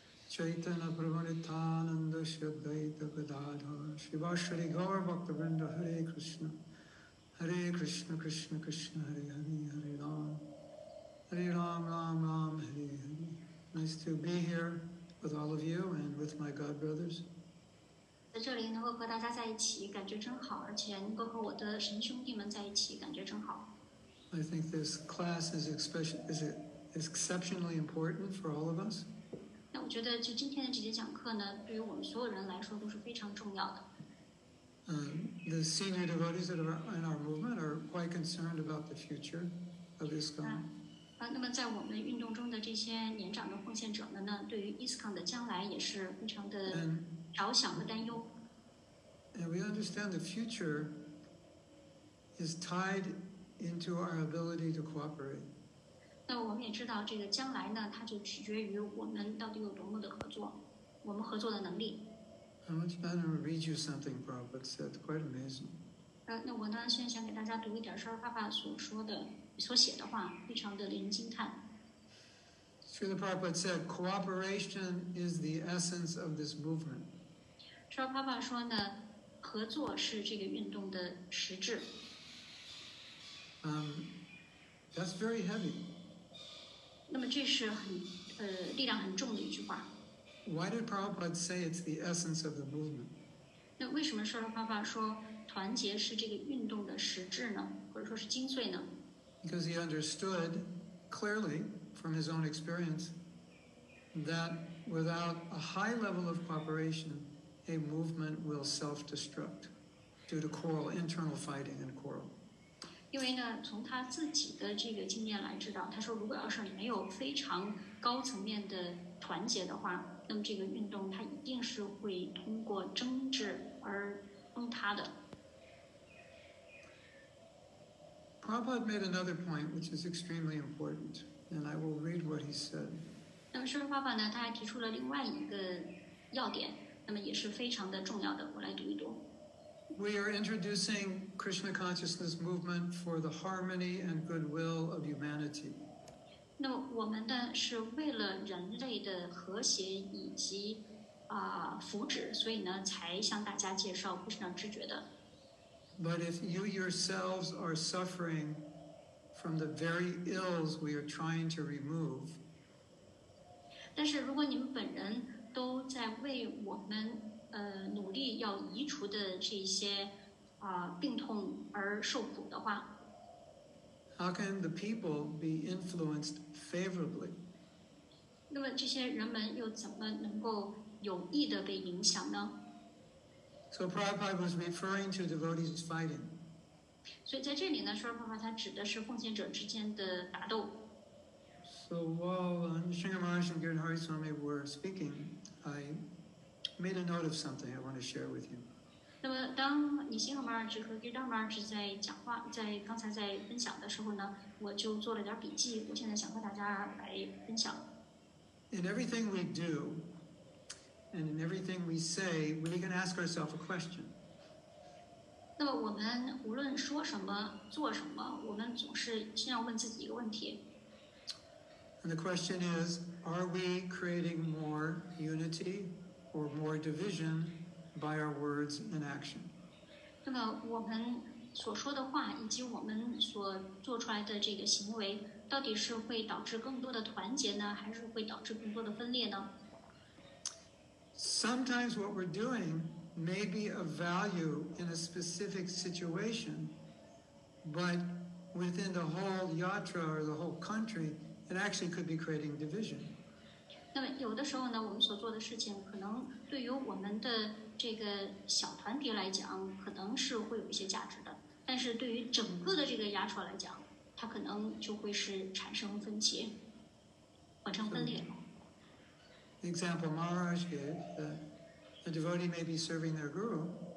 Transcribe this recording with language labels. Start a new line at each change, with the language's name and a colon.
Sanskrit: Chaitanya Prabhu Nityananda Shyadvaita Gadadhar Shivashri Gaur Bhakta Vrinda Hare Krishna Hare Krishna Krishna Krishna Hare Hare Hare Ram Hare Ram Ram Ram Hare Hare
English: Nice to be here with all of you and with my God brothers.
Chinese: 在这里能够和大家在一起感觉真好，而且能够和我的神兄弟们在一起感觉真好。
English: I think this class is exceptionally important for all of us.
Chinese: 那我觉得就今天的这节讲课呢，对于我们所有人来说都是非常重要的。
English: The senior devotees that are in our movement are quite concerned about the future of ISKCON.
Chinese: 那么在我们运动中的这些年长的奉献者们呢，对于 ISKCON 的将来也是非常的着想和担忧。
English: And we understand the future is tied into our ability to cooperate.
Chinese: 那我们也知道这个将来呢它就取决于我们到底有多么的合作我们合作的能力。
English: I want to better read you something Prabhupada said, quite amazing.
Chinese: 那我呢现在想给大家读一点事儿爸爸所说的所写的话非常的令人惊叹。
English: Srila Prabhupada said, cooperation is the essence of this movement.
Chinese: Srila Prabhupada 说呢合作是这个运动的实质。
English: That's very heavy.
Chinese: 那么这是很力量很重的一句话。
English: Why did Prabhupada say it's the essence of the movement?
Chinese: 那为什么说了爸爸说团结是这个运动的实质呢或者说是精髓呢
English: Because he understood clearly from his own experience that without a high level of cooperation, a movement will self-destruct. due to quarrel, internal fighting and quarrel.
Chinese: 因为呢，从他自己的这个经验来知道，他说如果要是没有非常高层面的团结的话，那么这个运动它一定是会通过争执而崩塌的。
English: Prabhupada made another point, which is extremely important, and I will read what he said.
Chinese: 那么释迦牟尼佛呢，他还提出了另外一个要点，那么也是非常的重要的，我来读一读。
English: We are introducing Krishna consciousness movement for the harmony and goodwill of humanity.
Chinese: 那我们呢是为了人类的和谐以及福祉，所以呢才向大家介绍 Krishna 知觉的。
English: But if you yourselves are suffering from the very ills we are trying to remove,
Chinese: 但是如果你们本人都在为我们努力要移除的这些病痛而受苦的话，
English: How can the people be influenced favorably?
Chinese: 那么这些人们又怎么能够有益的被影响呢？
English: So Prabhupada was referring to devotees fighting.
Chinese: 所以在这里呢，说实话他指的是奉献者之间的打斗。
English: So while Nrisimha Maharaj and Giridhari Swami were speaking, I made a note of something I want to share with you.
Chinese: 那么当你心和马尔智和吉达马尔智在讲话，在刚才在分享的时候呢，我就做了点笔记，我现在想和大家来分享。
English: In everything we do, and in everything we say, we can ask ourselves a question.
Chinese: 那么我们无论说什么，做什么，我们总是先要问自己一个问题。
English: And the question is, are we creating more unity? Or more division by our words and action.
Chinese: 那么我们所说的话以及我们所做出来的这个行为，到底是会导致更多的团结呢，还是会导致更多的分裂呢？
English: Sometimes what we're doing may be of value in a specific situation, but within the whole yatra or the whole country, it actually could be creating division.
Chinese: 那么有的时候呢，我们所做的事情可能对于我们的这个小团体来讲，可能是会有一些价值的，但是对于整个的这个亚洲来讲，它可能就会是产生分歧，产生分裂。
English: So, example Maharaj gave that a devotee may be serving their guru.